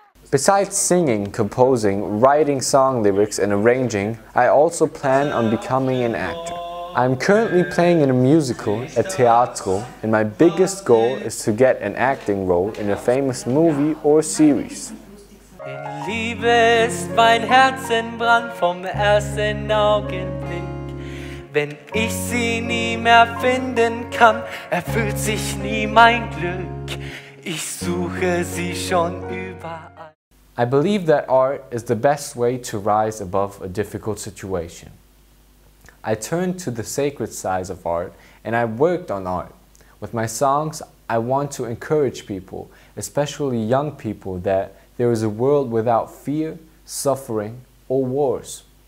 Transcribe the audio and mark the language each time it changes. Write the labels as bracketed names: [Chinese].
[English] Besides singing, composing, writing song lyrics, and arranging, I also plan on becoming an actor. I'm currently playing in a musical, a teatro, and my biggest goal is to get an acting role in a famous movie or series. [German] In Liebe ist mein Herzenbrand vom ersten Augenblick. Wenn ich sie nie mehr finden kann, erfüllt sich nie mein Glück. Ich suche sie schon überall. [English] I believe that art is the best way to rise above a difficult situation. I turned to the sacred side of art and I worked on art. With my songs, I want to encourage people, especially young people, that there is a world without fear, suffering, or wars.